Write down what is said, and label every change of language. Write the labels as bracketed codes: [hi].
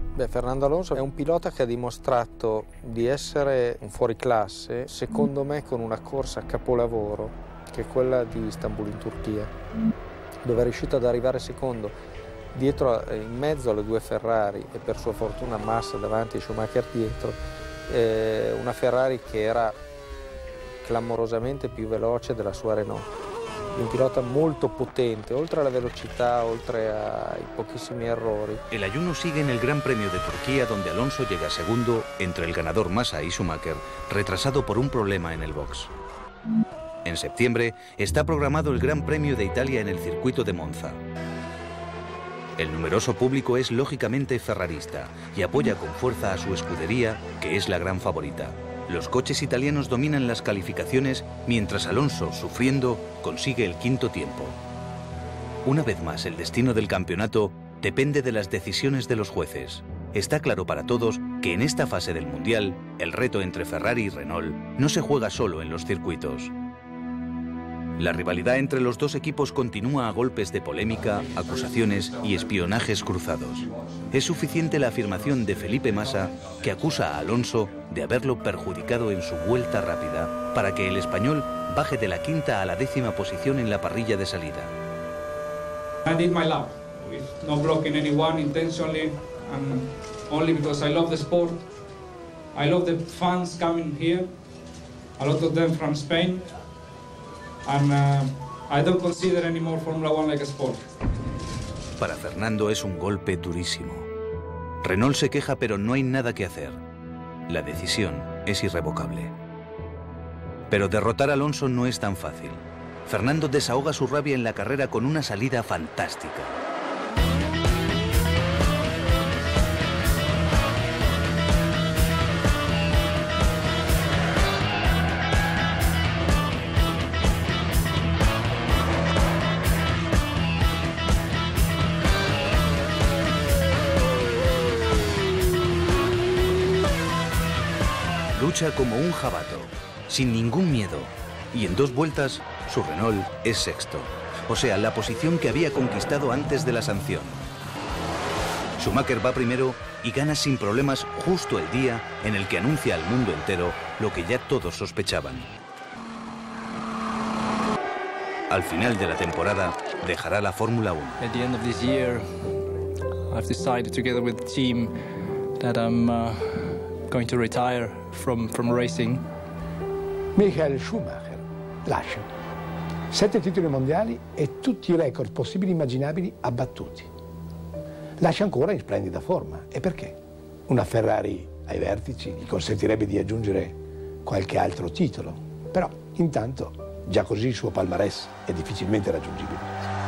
[it] Fernando Alonso è un pilota che ha dimostrato di essere un fuoriclasse, secondo me con una corsa a capolavoro, che è quella di Istanbul in Turchia, dove è riuscito ad arrivare secondo, dietro, in mezzo alle 2 Ferrari, e per sua fortuna Massa davanti, Schumacher dietro, una Ferrari che era clamorosamente più veloce della sua Renault. di un pilota molto potente, oltre alla velocità, oltre ai pochissimi errori. [es] El ayuno sigue en el Gran Premio de Turquía, donde Alonso llega segundo entre el ganador Massa y Schumacher, retrasado por un problema en el box. En septiembre está programado el Gran Premio de Italia en el circuito de Monza. El numeroso público es lógicamente ferrarista y apoya con fuerza a su escudería, que es la gran favorita. Los coches italianos dominan las calificaciones mientras Alonso, sufriendo, consigue el quinto tiempo. Una vez más, el destino del campeonato depende de las decisiones de los jueces. Está claro para todos que en esta fase del Mundial, el reto entre Ferrari y Renault no se juega solo en los circuitos. La rivalidad entre los dos equipos continúa a golpes de polémica, acusaciones y espionajes cruzados. Es suficiente la afirmación de Felipe Massa, que acusa a Alonso de haberlo perjudicado en su vuelta rápida para que el español baje de la quinta a la décima posición en la parrilla de salida. [en] I did my lap, no blocking anyone intentionally, and only because I love the sport. I love the fans coming here, a lot of them from Spain. I don't consider anymore Formula One like a sport. [es] Para Fernando es un golpe durísimo. Renault se queja, pero no hay nada que hacer. La decisión es irrevocable. Pero derrotar a Alonso no es tan fácil. Fernando desahoga su rabia en la carrera con una salida fantástica. Lucha como un jabato, sin ningún miedo, y en dos vueltas su Renault es sexto, o sea, la posición que había conquistado antes de la sanción. Schumacher va primero y gana sin problemas justo el día en el que anuncia al mundo entero lo que ya todos sospechaban. Al final de la temporada dejará la Fórmula 1. [en] At the end of this year, I've decided together with the team that I'm going to retire from racing. [it] Michael Schumacher lascia. 7 titoli mondiali e tutti i record possibili e immaginabili abbattuti. Lascia ancora in splendida forma. E perché? Una Ferrari ai vertici gli consentirebbe di aggiungere qualche altro titolo. Però, intanto, già così il suo palmarès è difficilmente raggiungibile.